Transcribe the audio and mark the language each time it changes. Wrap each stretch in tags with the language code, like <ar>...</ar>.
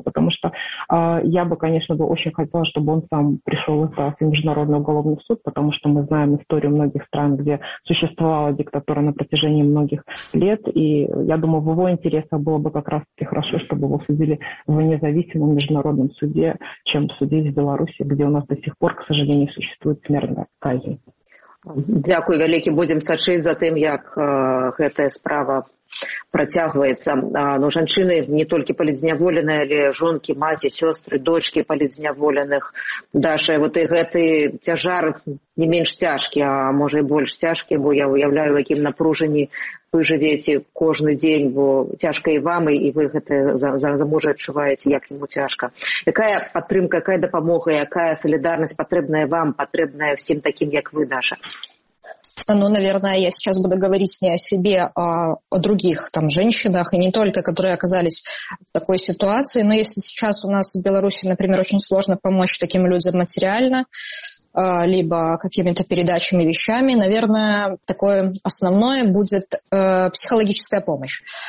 <ru>Потому что я бы, конечно, бы очень хотела, чтобы он сам пришел в Международный уголовный суд, потому что мы знаем историю многих стран, где существовала диктатура на протяжении многих лет. И я думаю, в его интересах было бы как раз-таки хорошо, чтобы его судили в независимом международном суде, чем судить в Беларуси, где у нас до сих пор, к сожалению, существует смертная казнь.</ru> <be>Дякую вялікі, будзем сачыць за тым, як гэтая справа працягваецца. Ну, жанчыны не толькі палітзняволеныя, але жонкі, маці, сёстры, дочкі палітзняволеных. Даша, вот і гэты цяжар не менш цяжкі, а можа і больш цяжкі, бо я уяўляю, якім напружанні вы жывеце кожны дзень, бо цяжка і вам, і вы гэта за мужа адчуваеце, як яму цяжка. Якая падтрымка, якая дапамога, якая салідарнасць патрэбная вам, патрэбная всім такім, як вы, Даша?</be> <ru>Ну, наверное, я сейчас буду говорить не о себе, а о других там женщинах, и не только, которые оказались в такой ситуации. Но если сейчас у нас в Беларуси, например, очень сложно помочь таким людям материально, либо какими-то передачами, вещами, наверное, такое основное будет психологическая помощь.</ru>